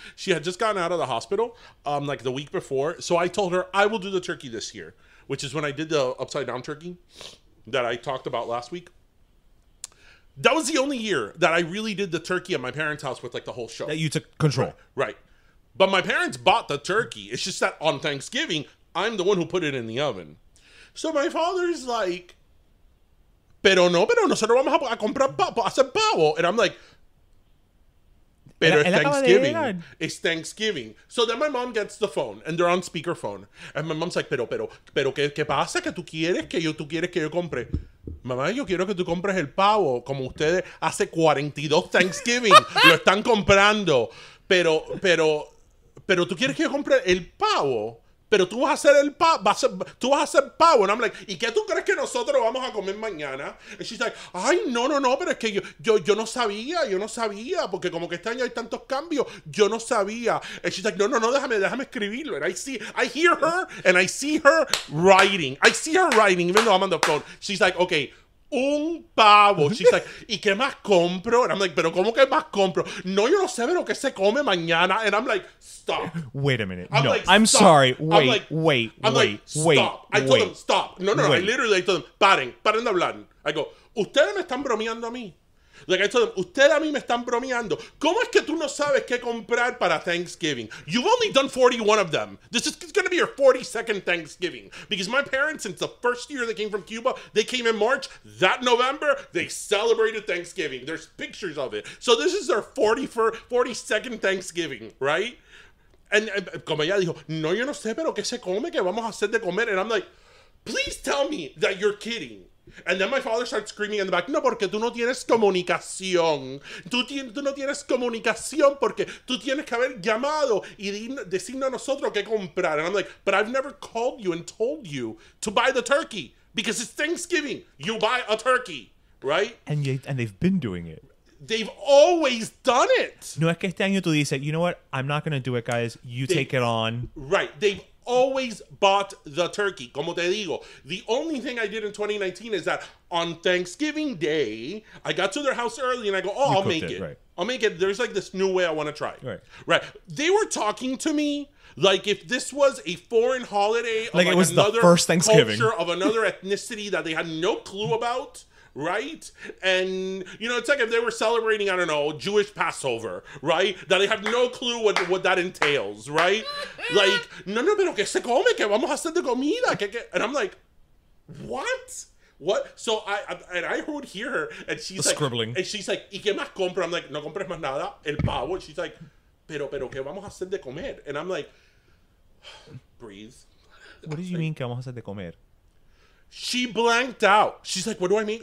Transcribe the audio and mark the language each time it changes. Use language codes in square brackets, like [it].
[en] She had just gotten out of the hospital like the week before. So I told her, I will do the turkey this year, which is when I did the upside down turkey that I talked about last week. That was the only year that I really did the turkey at my parents' house with like the whole show. That you took control. Right. But my parents bought the turkey. It's just that on Thanksgiving, I'm the one who put it in the oven. So my father's like, [es] pero nosotros vamos a comprar pavo, hacer pavo. [en] And I'm like, [es] pero es Thanksgiving. [en] It's Thanksgiving. So then my mom gets the phone, and they're on speakerphone. And my mom's like, [es] pero, ¿qué pasa? ¿Que tú quieres que yo compre? Mamá, yo quiero que tú compres el pavo, como ustedes hace 42 Thanksgiving. Lo están comprando. Pero tú quieres que yo compre el pavo. Pero tú vas a hacer pavo. [en] And I'm like, [es] ¿y qué tú crees que nosotros vamos a comer mañana? [en] And she's like, [es] ay, no, pero es que yo no sabía, porque como que este año hay tantos cambios, yo no sabía. [en] And she's like, [es] no, déjame escribirlo. [en] And I see her writing, even though I'm on the phone. She's like, okay, [es] un pavo. [en] She's like, [es] ¿y qué más compro? [en] And I'm like, [es] ¿pero cómo que más compro? No, yo no sé, pero ¿qué se come mañana? [en] And I'm like, stop. Wait a minute. I'm no, like, I'm stop. Sorry. Wait, I'm like, wait, I'm wait, like, wait. Stop. I told wait, them, stop. No. Wait. I literally told them, [es] paren de hablar. [en] I go, [es] ustedes me están bromeando a mí. [en] Like, I told them, [es] ustedes a mí me están bromeando. ¿Cómo es que tú no sabes qué comprar para Thanksgiving? [en] You've only done 41 of them. This is going to be your 42nd Thanksgiving. Because my parents, since the first year they came from Cuba, they came in March. That November, they celebrated Thanksgiving. There's pictures of it. So this is their 42nd Thanksgiving, right? [es] And como ella dijo, no, yo no sé, pero qué se come, que vamos a hacer de comer. [en] And I'm like, please tell me that you're kidding. And then my father starts screaming in the back, [es] no, porque tú no tienes comunicación. Tú no tienes comunicación porque tú tienes que haber llamado y decirnos a nosotros qué comprar. [en] And I'm like, but I've never called you and told you to buy the turkey because it's Thanksgiving. You buy a turkey, right? And they've been doing it. They've always done it. [es] No es que este año tú dices, [en] you know what? I'm not going to do it, guys. They take it on. Right. They've always bought the turkey. [es] Como te digo, [en] the only thing I did in 2019 is that on Thanksgiving Day, I got to their house early and I go, oh, I'll make it. There's like this new way I want to try. Right. They were talking to me like if this was a foreign holiday, like it was the first Thanksgiving culture of another ethnicity that they had no clue about. Right? And, you know, it's like if they were celebrating, I don't know, Jewish Passover, right? That they have no clue what that entails, right? [es] Like, no, pero que se come, que vamos a hacer de comida. [en] And I'm like, what? So I would hear her, and she's like, scribbling. And she's like, [es] ¿y qué más compro? [en] I'm like, [es] no compres más nada, el pavo. And she's like, pero que vamos a hacer de comer? [en] And I'm like, breathe. What do you mean, [es] que vamos a hacer de comer? [en] She blanked out. She's like, what do I mean?